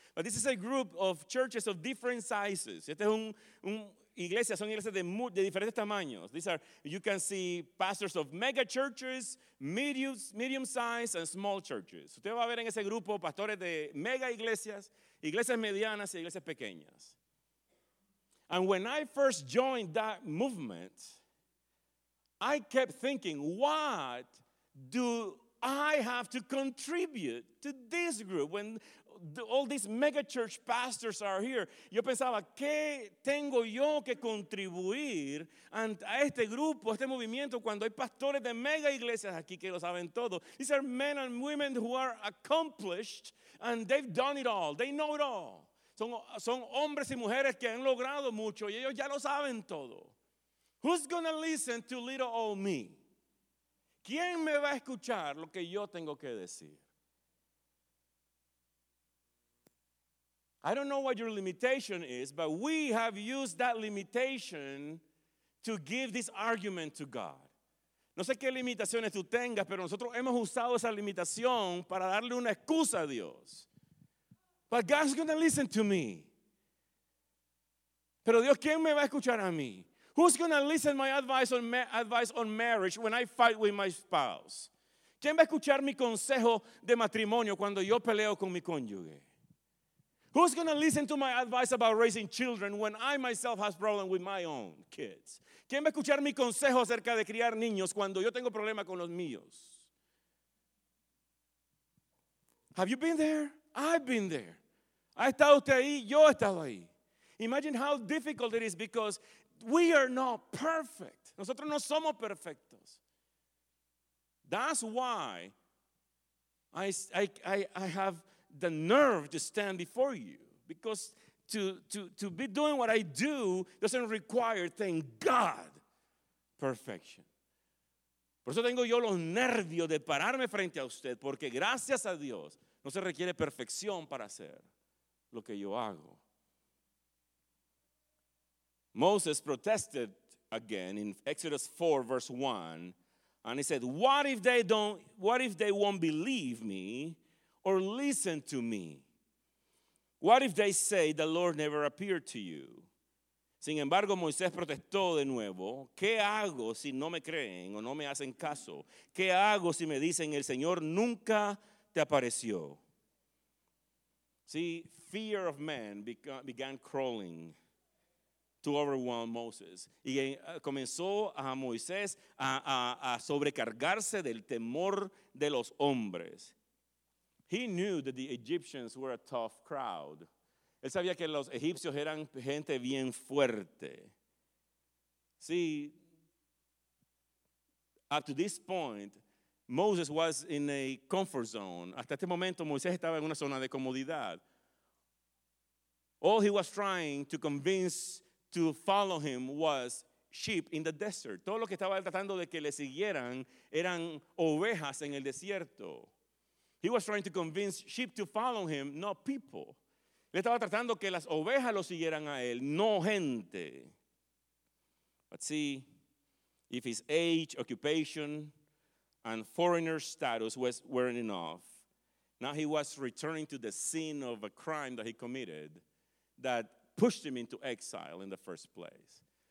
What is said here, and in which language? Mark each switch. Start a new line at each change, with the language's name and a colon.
English: But this is a group of churches of different sizes.
Spanish: Este es un iglesias, son iglesias de diferentes tamaños.
English: These are, you can see pastors of mega churches, medium size, and small churches.
Spanish: Usted va a ver en ese grupo pastores de mega iglesias, iglesias medianas y iglesias pequeñas.
English: And when I first joined that movement, I kept thinking, what do I have to contribute to this group when all these mega church pastors are here?
Spanish: Yo pensaba, ¿qué tengo yo que contribuir a este grupo, a este movimiento, cuando hay pastores de mega iglesias aquí que lo saben todo?
English: These are men and women who are accomplished and they've done it all. They know it all.
Spanish: Son hombres y mujeres que han logrado mucho y ellos ya lo saben todo.
English: Who's going to listen to little old me?
Spanish: ¿Quién me va a escuchar lo que yo tengo que decir?
English: I don't know what your limitation is, but we have used that limitation to give this argument to God.
Spanish: No sé qué limitaciones tú tengas, pero nosotros hemos usado esa limitación para darle una excusa a Dios.
English: But God's going to listen to me.
Spanish: Pero Dios, ¿quién me va a escuchar a mí?
English: Who's going to listen to my advice on marriage when I fight with my spouse?
Spanish: ¿Quién va a escuchar mi consejo de matrimonio cuando yo peleo con mi cónyuge?
English: Who's going to listen to my advice about raising children when I myself have problems with my own kids?
Spanish: ¿Quién va a escuchar mi consejo acerca de criar niños cuando yo tengo problemas con los míos?
English: Have you been there? I've been there.
Spanish: ¿Ha estado usted ahí? Yo he estado ahí.
English: Imagine how difficult it is because we are not perfect.
Spanish: Nosotros no somos perfectos.
English: That's why I have the nerve to stand before you, because to be doing what I do doesn't require, thank God, perfection.
Spanish: Por eso tengo yo los nervios de pararme frente a usted, porque gracias a Dios no se requiere perfección para hacer lo que yo hago.
English: Moses protested again in Exodus 4 verse 1, and he said, what if they won't believe me or listen to me? What if they say the Lord never appeared to you?
Spanish: Sin embargo, Moisés protestó de nuevo. ¿Qué hago si no me creen o no me hacen caso? ¿Qué hago si me dicen el Señor nunca te apareció?
English: See, fear of man began crawling to overwhelm Moses.
Spanish: Y comenzó a Moisés a sobrecargarse del temor de los hombres.
English: He knew that the Egyptians were a tough crowd.
Spanish: Él sabía que los egipcios eran gente bien fuerte.
English: See, up to this point, Moses was in a comfort zone.
Spanish: Hasta este momento, Moisés estaba en una zona de comodidad.
English: All he was trying to convince to follow him was sheep in the desert.
Spanish: Todo lo que estaba tratando de que le siguieran eran ovejas en el desierto.
English: He was trying to convince sheep to follow him, not people.
Spanish: Le estaba tratando que las ovejas lo siguieran a él, no gente.
English: But see, if his age, occupation, and foreigner status weren't enough, now he was returning to the scene of a crime that he committed that pushed him into exile in the first place.